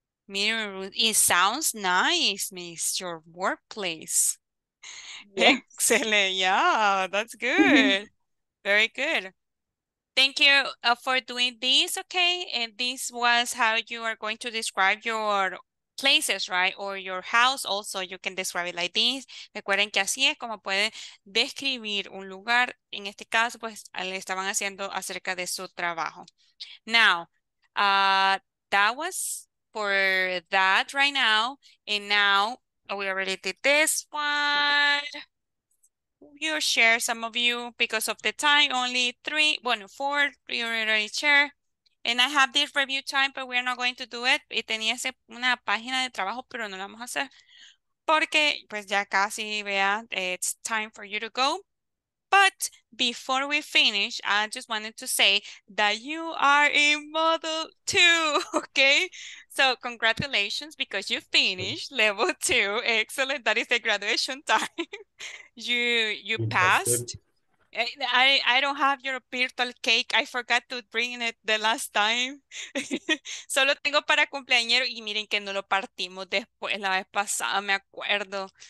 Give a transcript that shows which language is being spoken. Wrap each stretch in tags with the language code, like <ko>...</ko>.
<en>Meeting room, it sounds nice, Miss, your workplace. Yes. Excellent, yeah, that's good. Very good. Thank you for doing this, okay? And this was how you are going to describe your places, right? Or your house also, you can describe it like this.</en> <es>Recuerden que así es como pueden describir un lugar. En este caso, pues, le estaban haciendo acerca de su trabajo.</es> <en>Now, that was... for that right now, and now we already did this one. You share some of you because of the time, only three, one, four, you already share. And I have this review time, but we're not going to do it.</en> <es>Y tenía una página de trabajo, pero no la vamos a hacer. Porque, pues ya casi, vea,</es> <en>it's time for you to go. But before we finish, I just wanted to say that you are in Module 2, okay? So congratulations because you finished Level 2. Excellent. That is the graduation time. You passed. I don't have your virtual cake. I forgot to bring it the last time.</en> <es>Solo tengo para cumpleañero. Y miren que no lo partimos después, la vez pasada, me acuerdo.</es>